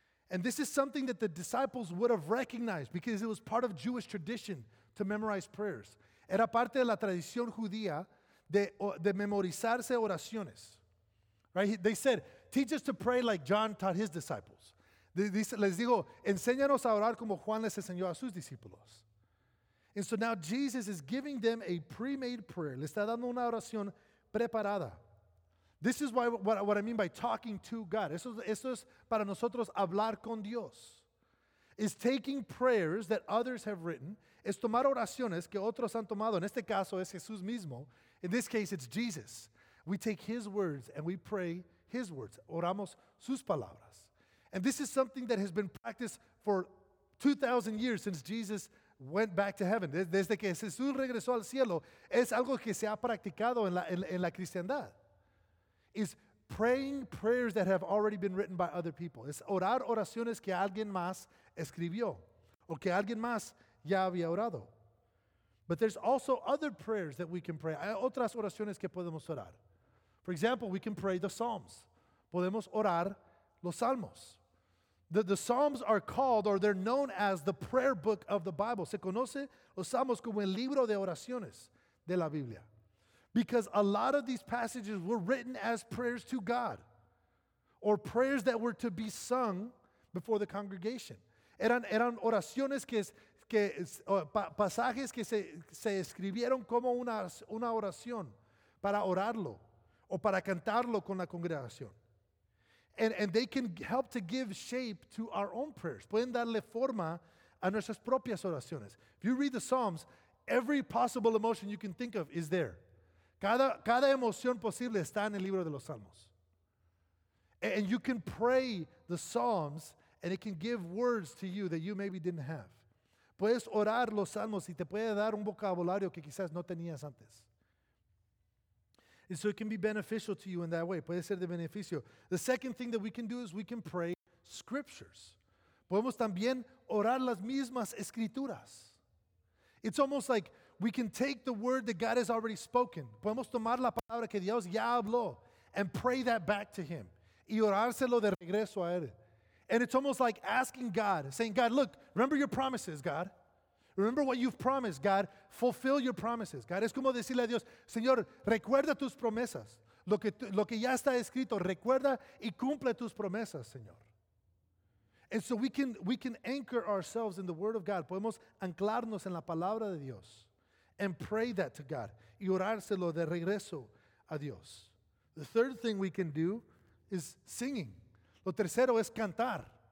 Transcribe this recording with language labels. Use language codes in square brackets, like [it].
[en] And this is something that the disciples would have recognized because it was part of Jewish tradition to memorize prayers. [es] Era parte de la tradición judía de memorizarse oraciones. [en] Right? They said, teach us to pray like John taught his disciples. [es] Les digo, enséñanos a orar como Juan les enseñó a sus discípulos. [en] And so now Jesus is giving them a pre-made prayer. [es] Le está dando una oración preparada. [en] This is why what I mean by talking to God. [es] Eso es para nosotros hablar con Dios. [en] It's taking prayers that others have written. [es] Es tomar oraciones que otros han tomado. En este caso es Jesús mismo. [en] In this case, it's Jesus. We take his words and we pray his words. [es] Oramos sus palabras. [en] And this is something that has been practiced for 2,000 years since Jesus went back to heaven. [es] Desde que Jesús regresó al cielo, es algo que se ha practicado en la cristiandad. [en] Is praying prayers that have already been written by other people. [es] Es orar oraciones que alguien más escribió o que alguien más ya había orado. [en] But there's also other prayers that we can pray. [es] Hay otras oraciones que podemos orar. [en] For example, we can pray the Psalms. [es] Podemos orar los Salmos. [en] The Psalms are called, or they're known as, the prayer book of the Bible. [es] Se conoce los Salmos como el libro de oraciones de la Biblia. [en] Because a lot of these passages were written as prayers to God, or prayers that were to be sung before the congregation. [es] Eran oraciones pasajes que se escribieron como una oración para orarlo o para cantarlo con la congregación. [en] And they can help to give shape to our own prayers. [es] Pueden darle forma a nuestras propias oraciones. [en] If you read the Psalms, every possible emotion you can think of is there. [es] Cada emoción posible está en el libro de los Salmos. [en] And you can pray the Psalms and it can give words to you that you maybe didn't have. [es] Puedes orar los Salmos y te puede dar un vocabulario que quizás no tenías antes. [en] And so it can be beneficial to you in that way. [es] Puede ser de beneficio. [en] The second thing that we can do is we can pray scriptures. [es] Podemos también orar las mismas escrituras. [en] It's almost like we can take the word that God has already spoken. [es] Podemos tomar la palabra que Dios ya habló [en] and pray that back to him. [es] Y orárselo de regreso a él. [en] And it's almost like asking God, saying, God, look, remember your promises, God. Remember what you've promised, God. Fulfill your promises. [es] God, es como decirle a Dios, Señor, recuerda tus promesas. Lo que ya está escrito, recuerda y cumple tus promesas, Señor. [en] And so we can anchor ourselves in the word of God. [es] Podemos anclarnos en la palabra de Dios [en] and pray that to God [es] y orárselo de regreso a Dios. [en] The third thing we can do is singing. [es] Lo tercero es cantar.